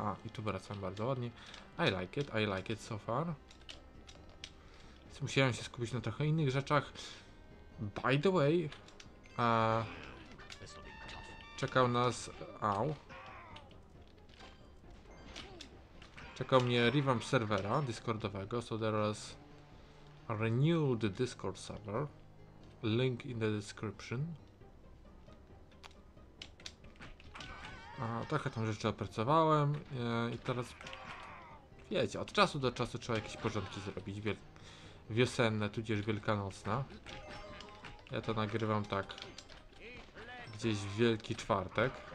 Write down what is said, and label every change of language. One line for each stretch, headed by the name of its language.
Polish: A, i tu wracam bardzo ładnie.
English: I like it so far.
Polish: Musiałem się skupić na trochę innych rzeczach.
English: By the way,
Polish: czekał nas. Au. Czekał mnie revamp serwera Discordowego.
English: So there was a renewed Discord server. Link in the description.
Polish: Trochę tam rzeczy opracowałem. I teraz. Wiecie, od czasu do czasu trzeba jakieś porządki zrobić. Wiosenne, tudzież wielkanocne. Ja to nagrywam tak gdzieś w Wielki Czwartek.